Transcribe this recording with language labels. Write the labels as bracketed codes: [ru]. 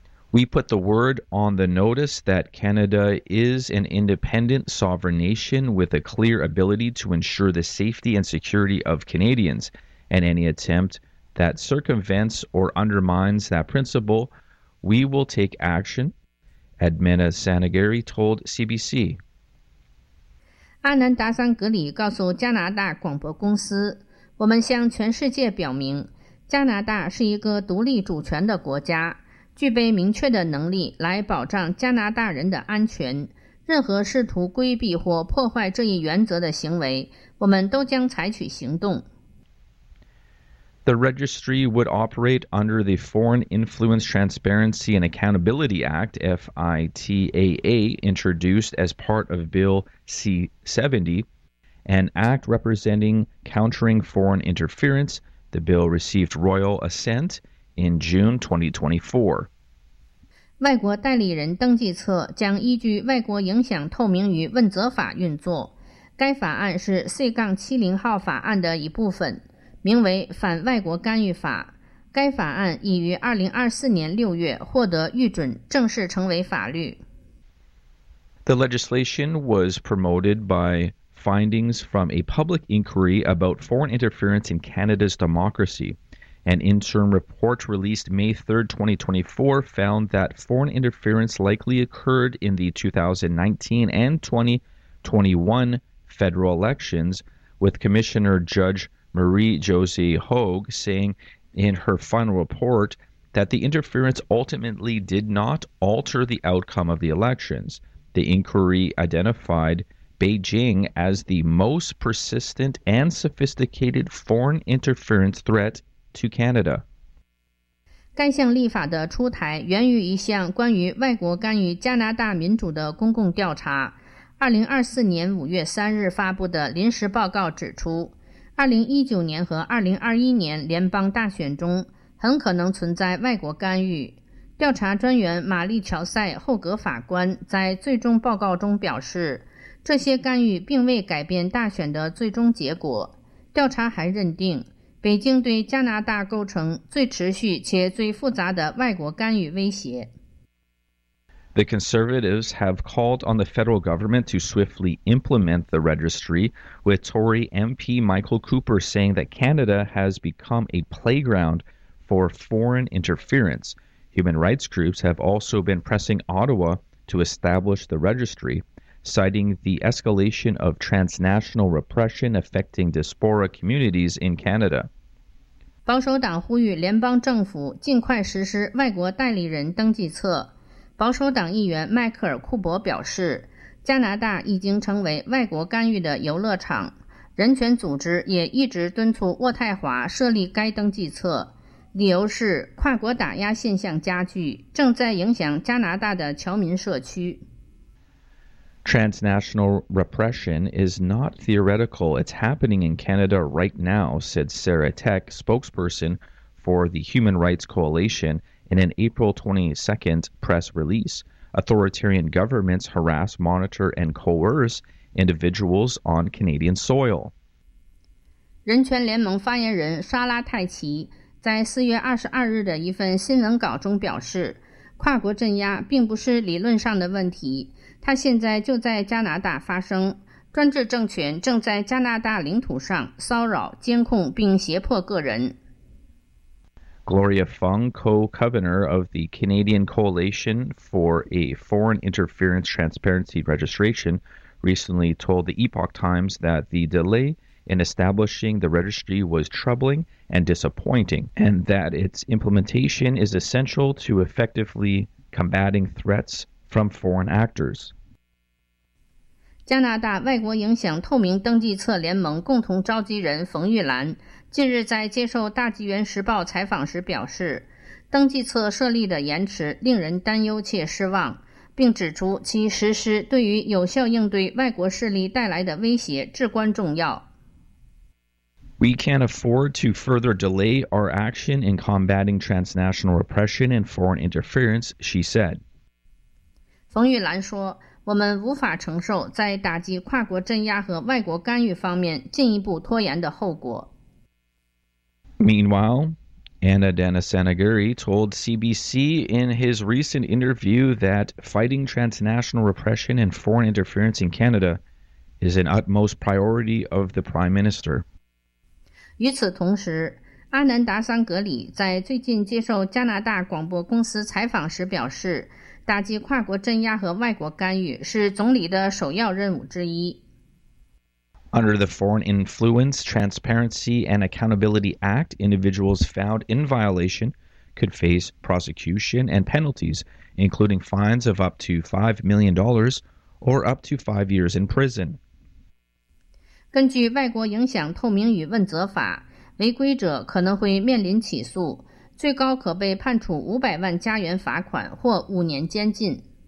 [en] We put the word on the notice that Canada is an independent sovereign nation with a clear ability to ensure the safety and security of Canadians, and any attempt that circumvents or undermines that principle, we will take action, Admina Sanagari told CBC. [zh] 阿南达桑格里告诉加拿大广播公司，我们向全世界表明，加拿大是一个独立主权的国家，具备明确的能力来保障加拿大人的安全。任何试图规避或破坏这一原则的行为，我们都将采取行动。 [en] The registry would operate under the Foreign Influence Transparency and Accountability Act, FITAA, introduced as part of Bill C-70, an act representing countering foreign interference. The bill received royal assent in June 2024. [zh] 外国代理人登记册将依据外国影响透明与问责法运作，该法案是 C-70 号法案的一部分，名为反外国干预法。该法案已于2024年6月获得预准，正式成为法律。 [en] The legislation was promoted by findings from a public inquiry about foreign interference in Canada's democracy. An interim report released May 3, 2024 found that foreign interference likely occurred in the 2019 and 2021 federal elections, with Commissioner Judge Marie-Josée Hogue saying in her final report that the interference ultimately did not alter the outcome of the elections. The inquiry identified Beijing as the most persistent and sophisticated foreign interference threat to Canada. [zh] 该项立法的出台源于一项关于外国干预加拿大民主的公共调查。 2024年5月3日发布的临时报告指出，2019年和2021年联邦大选中很可能存在外国干预。调查专员玛丽·乔塞·霍格法官在最终报告中表示，这些干预并未改变大选的最终结果。调查还认定，北京对加拿大构成最持续且最复杂的外国干预威胁。 [en] The conservatives have called on the federal government to swiftly implement the registry, with Tory MP Michael Cooper saying that Canada has become a playground for foreign interference. Human rights groups have also been pressing Ottawa to establish the registry, citing the escalation of transnational repression affecting diaspora communities in Canada. [zh] 保守党呼吁联邦政府尽快实施外国代理人登记册。保守党议员迈克尔·库珀表示，加拿大已经成为外国干预的游乐场。人权组织也一直敦促渥太华设立该登记册，理由是跨国打压现象加剧，正在影响加拿大的侨民社区。 [en] Transnational repression is not theoretical. It's happening in Canada right now, said Sarah Tech, spokesperson for the Human Rights Coalition. In an April 22nd press release, authoritarian governments harass, monitor, and coerce individuals on Canadian soil. [zh] 人权联盟发言人莎拉·泰奇在4月22日的一份新闻稿中表示，跨国镇压并不是理论上的问题，它现在就在加拿大发生。专制政权正在加拿大领土上骚扰、监控并胁迫个人。 [en] Gloria Fung, co-governor of the Canadian Coalition for a Foreign Interference Transparency Registration, recently told the Epoch Times that the delay in establishing the registry was troubling and disappointing, and that its implementation is essential to effectively combating threats from foreign actors. [zh] 加拿大外国影响透明登记册联盟共同召集人冯玉兰近日在接受大纪元时报采访时表示，登记册设立的延迟令人担忧且失望，并指出其实施对于有效应对外国势力带来的威胁至关重要。 [en] We can't afford to further delay our action in combating transnational repression and foreign interference, she said. [zh] 冯玉兰说，我们无法承受在打击跨国镇压和外国干预方面进一步拖延的后果。 [en] Meanwhile, Anna Dana Sanaguri told CBC in his recent interview that fighting transnational repression and foreign interference in Canada is an utmost priority of the Prime Minister. [zh] 与此同时，阿南达桑格里在最近接受加拿大广播公司采访时表示，打击跨国镇压和外国干预是总理的首要任务之一。 [en] Under the Foreign Influence, Transparency and Accountability Act, individuals found in violation could face prosecution and penalties, including fines of up to $5 million or up to 5 years in prison. [zh] 根据外国影响透明与问责法，违规者可能会面临起诉，最高可被判处$500,000罚款或5年监禁。